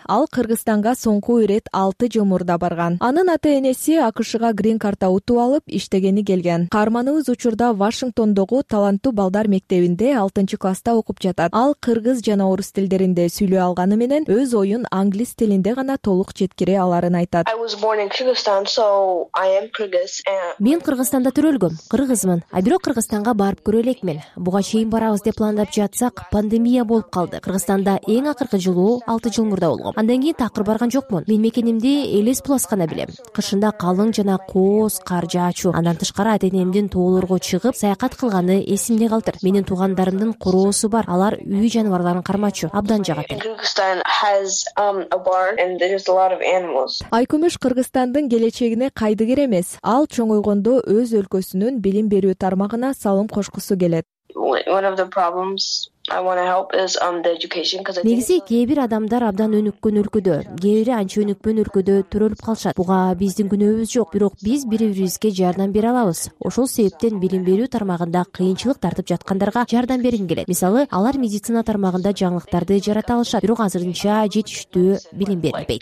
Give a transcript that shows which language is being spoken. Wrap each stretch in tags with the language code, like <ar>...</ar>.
<ky>Ал Кыргызстанга соңку ирет 6 жыл мурда барган. Анын ата-энеси АКШга грин карта утуп алып иштегени келген. Карманыбыз учурда Вашингтондогу таланттуу балдар мектебинде 6-чы класста окуп жатат. Ал кыргыз жана орус тилдеринде сүйлөй алганы менен өз оюн англис тилинде гана толук жеткире аларын айтат.</ky> <en>I was born in Kyrgyzstan, so I am Kyrgyz.</en> <ky>Мен Кыргызстанда төрөлгөм, кыргызмын. А бирок Кыргызстанга барып көрө элекмин. Буга чейин барабыз деп пландап жатсак, пандемия болуп калды. Кыргызстанда эң акыркы жылуу 6 жыл мурда болгом. Андан кийин такыр барган жокмун. Мен мекенимди Элес Плас гана билем. Кышында калың жана кооз кар жаачу. Андан тышкары ата-энемдин тоолорго чыгып саякат кылганы эсимде калтыр. Менин туугандарымдын короосу бар. Алар үй жаныбарларын кармачу. Абдан жагат элем.</ky> <en>Kyrgyzstan has a barn and there's a lot of animals.</en> <ky>Айкумуш Кыргызстандын келечегине кайдыгер эмес. Ал чоңойгондо өз өлкөсүнүн билим берүү тармагына салым кошкусу келет.</ky> <en>One of the problems I want to help is the education because</en> <ky>негизи кээ бир адамдар абдан өнүккөн өлкөдө, кээ бири анча өнүккөн өлкөдө төрөлүп калышат. Буга биздин күнөөбүз жок, бирок биз бири-бирибизге жардам бере алабыз. Ошол себептен билим берүү тармагында кыйынчылык тартып жаткандарга жардам бергим келет. Мисалы, алар медицина тармагында жаңылыктарды жарата алышат, бирок азырынча жетиштүү билим берилбейт.</ky>